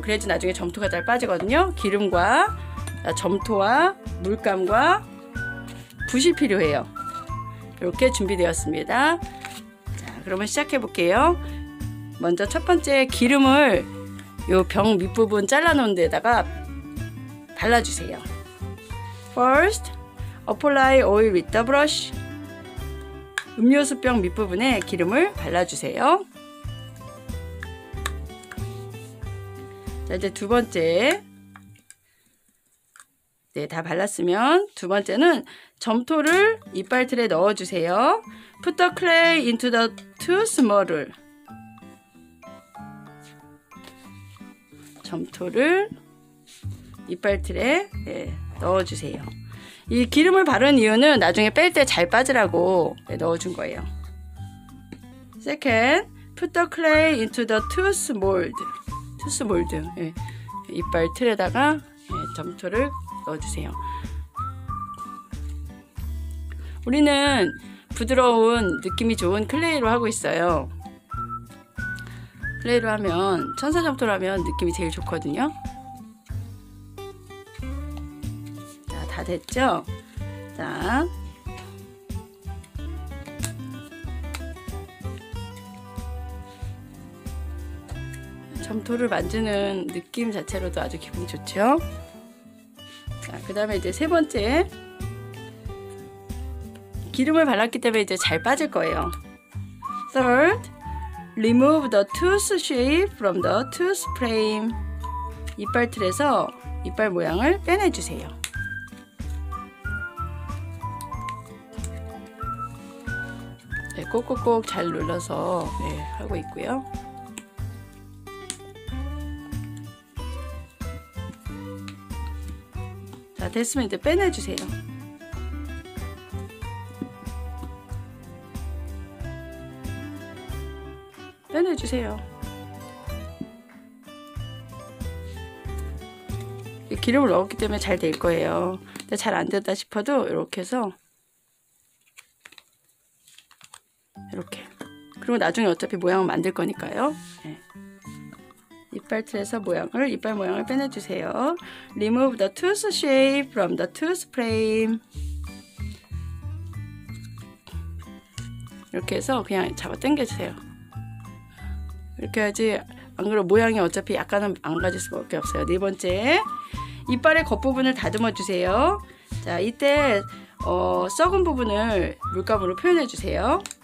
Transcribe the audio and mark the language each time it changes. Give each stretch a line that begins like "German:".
Korean: 그래야지 나중에 점토가 잘 빠지거든요. 기름과 점토와 물감과 붓이 필요해요. 이렇게 준비되었습니다. 자, 그러면 시작해 볼게요. 먼저 첫 번째 기름을 요병 밑부분 잘라놓은 데다가 발라주세요.
English: First, apply oil with the brush.
Korean: 음료수 병 밑부분에 기름을 발라주세요. 자, 이제 두 번째. 네, 다 발랐으면 두 번째는 점토를 이빨 틀에 넣어주세요.
English: Put the clay into the tooth mold.
Korean: 점토를 이빨 틀에 넣어주세요. 이 기름을 바른 이유는 나중에 뺄때잘 빠지라고 넣어준 거예요.
English: Second, put the clay into the tooth mold. Tooth mold.
Korean: 이빨 틀에다가 점토를 넣어주세요. 우리는 부드러운 느낌이 좋은 클레이로 하고 있어요. 클레이로 하면 천사점토라면 느낌이 제일 좋거든요. 자, 다 됐죠? 자, 점토를 만지는 느낌 자체로도 아주 기분이 좋죠? 자, 그다음에 이제 세 번째 기름을 발랐기 때문에 이제 잘 빠질 거예요.
English: Third. Remove the tooth shape from the tooth frame.
Korean: 이빨 틀에서 이빨 모양을 빼내주세요. 네, 꼭꼭꼭 잘 눌러서 하고 있고요. 자, 됐으면 이제 빼내주세요. 빼내주세요. 기름을 넣었기 때문에 잘될 거예요. 근데 잘안 됐다 싶어도 이렇게 해서 이렇게. 그리고 나중에 어차피 모양을 만들 거니까요. 네. 이빨 틀에서 모양을 이빨 모양을 빼내주세요.
English: Remove the tooth shape from the tooth frame.
Korean: 이렇게 해서 그냥 잡아당겨주세요. 이렇게 해야지 안 그래도 모양이 어차피 약간은 망가질 수밖에 없어요. 네 번째 이빨의 겉부분을 다듬어 주세요. 자, 이때 썩은 부분을 물감으로 표현해 주세요.